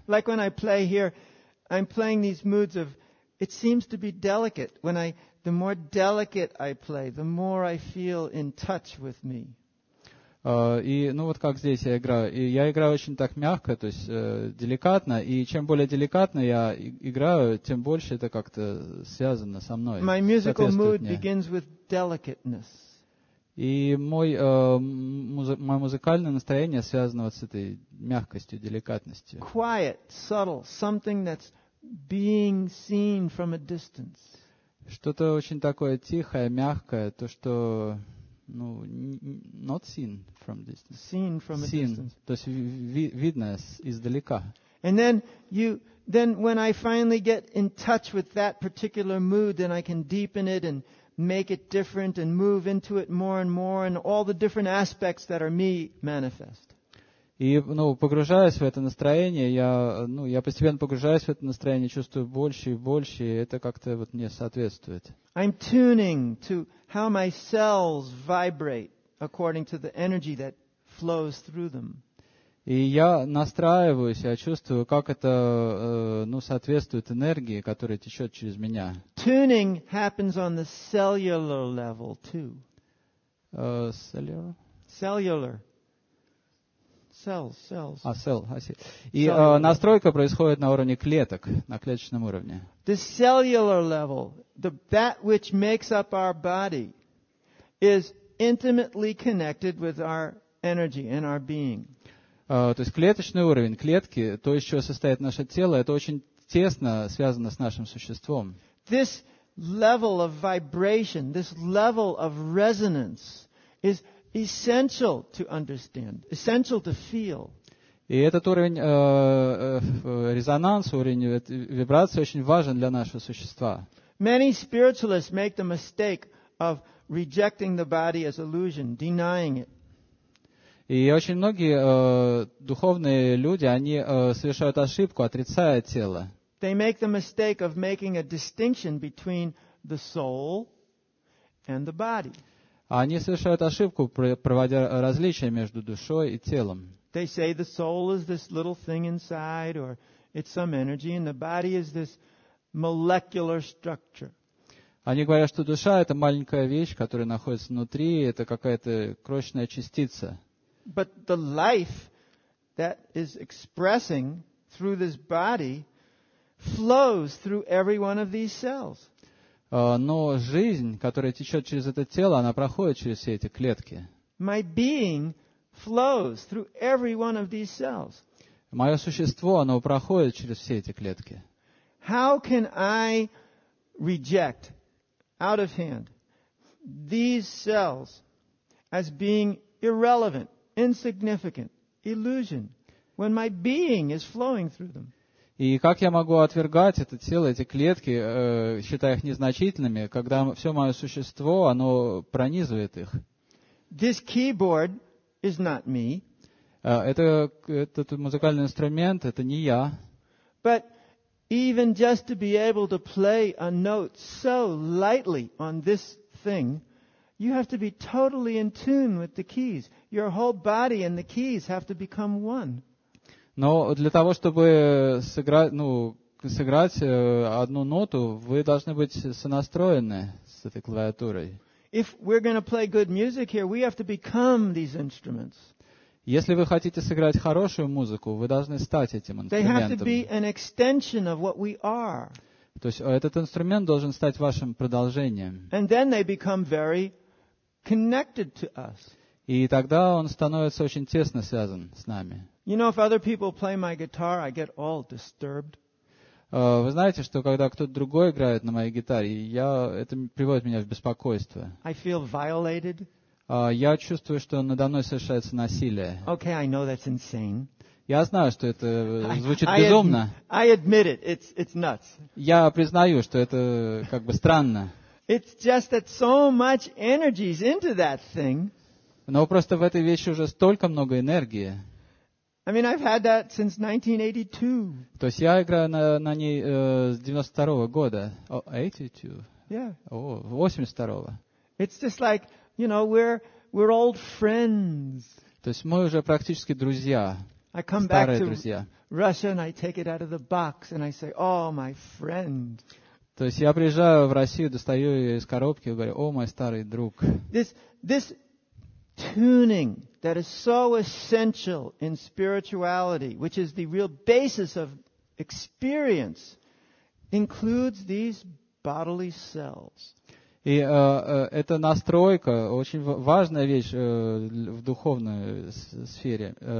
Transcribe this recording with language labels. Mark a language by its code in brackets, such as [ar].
[en] Like when I play here, I'm playing these moods of it seems to be delicate. When I, the more delicate I play, the more I feel in touch with me. [ru] И, ну вот как здесь я играю очень так мягко, то есть деликатно, и чем более деликатно я играю, тем больше это как-то связано со мной. [en] My musical mood begins with delicateness. [ru] И мое музыкальное настроение связано вот с этой мягкостью, деликатностью. [en] Quiet, subtle, something that's being seen from a distance. [ru] Что-то очень такое тихое, мягкое, то, что, ну, [en] not seen from distance. Seen from a seen, distance. [ru] То есть видно издалека. [en] And then when I finally get in touch with that particular mood, then I can deepen it and make it different and move into it more and more, and all the different aspects that are me manifest. [ru] И, ну, погружаясь в это настроение, я постепенно погружаюсь в это настроение, чувствую больше и больше, и это как-то вот мне соответствует. [en] I'm tuning to how my cells vibrate according to the energy that flows through them. [ru] И я настраиваюсь, я чувствую, как это, ну, соответствует энергии, которая течет через меня. [en] Tuning happens on the cellular level too. Cellular. Cells. [ru] Настройка происходит на уровне клеток, на клеточном уровне. [en] The cellular level, that which makes up our body, is intimately connected with our energy and our being. [ru] То есть клеточный уровень, клетки, то, из чего состоит наше тело, это очень тесно связано с нашим существом. [en] This level of vibration, this level of resonance is essential to understand, essential to feel. [ru] И этот уровень резонанса, уровень вибрации очень важен для нашего существа. [en] Many spiritualists make the mistake of rejecting the body as illusion, denying it. [ru] И очень многие духовные люди, они совершают ошибку, отрицая тело. [en] They make the mistake of making a distinction between the soul and the body. [ru] Они совершают ошибку, проводя различия между душой и телом. [en] They say the soul is this little thing inside, or it's some energy, and the body is this molecular structure. [ru] Они говорят, что душа — это маленькая вещь, которая находится внутри, это какая-то крошечная частица. [en] But the life that is expressing through this body flows through every one of these cells. [ru] Но жизнь, которая течет через это тело, она проходит через все эти клетки. [en] My being flows through every one of these cells. [ru] Мое существо, оно проходит через все эти клетки. [en] How can I reject out of hand these cells as being irrelevant, insignificant, illusion, when my being is flowing through them. [ru] И как я могу отвергать это тело, эти клетки, считая их незначительными, когда все мое существо, оно пронизывает их? [en] This keyboard is not me. [ru] Этот музыкальный инструмент, это не я. [en] But even just to be able to play a note so lightly on this thing, you have to be totally in tune with the keys. Your whole body and the keys have to become one. [ru] Но для того, чтобы сыграть одну ноту, вы должны быть сонастроены с этой клавиатурой. [en] If we're going to play good music here, we have to become these instruments. [ru] Если вы хотите сыграть хорошую музыку, вы должны стать этим инструментом. [en] They have to be an extension of what we are. [ru] То есть этот инструмент должен стать вашим продолжением. [en] And then they become very connected to us. [ru] И тогда он становится очень тесно связан с нами. [en] You know, if other people play my guitar, I get all disturbed. [ru] Вы знаете, что когда кто-то другой играет на моей гитаре, это приводит меня в беспокойство. [en] I feel violated. [ru] Я чувствую, что надо мной совершается насилие. [en] Okay, I know that's insane. [ru] Я знаю, что это звучит безумно. [en] I admit it. It's nuts. [ru] Я признаю, что это странно. [en] It's just that so much energy is into that thing. [ru] Но просто в этой вещи уже столько много энергии. [en] I mean, I've had that since 1982. [ru] То есть я играю на ней с 92 года. [en] Oh, 82. Yeah. Oh, 82. It's just like, you know, we're old friends. [ru] То есть мы уже практически друзья. [en] I come back to Russia and I take it out of the box and I say, "Oh, my friend." [ru] То есть я приезжаю в Россию, достаю ее из коробки и говорю: "О, мой старый друг." [en] This tuning that is so essential in spirituality, which is the real basis of experience, includes these bodily cells. [ru] И эта настройка очень важная вещь в духовной сфере.